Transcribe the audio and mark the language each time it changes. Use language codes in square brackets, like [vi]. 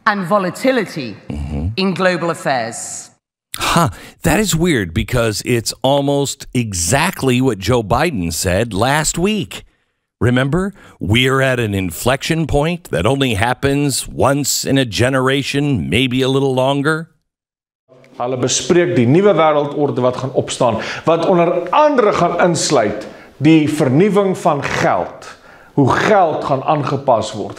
[en] and volatility in global affairs. Huh, that is weird because it's almost exactly what Joe Biden said last week. Remember, we're at an inflection point that only happens once in a generation, maybe a little longer. [af] Hulle bespreek die nuwe wêreldorde wat gaan opstaan, wat onder andere gaan insluit die vernuwing van geld. Hoe geld gaan aangepas word.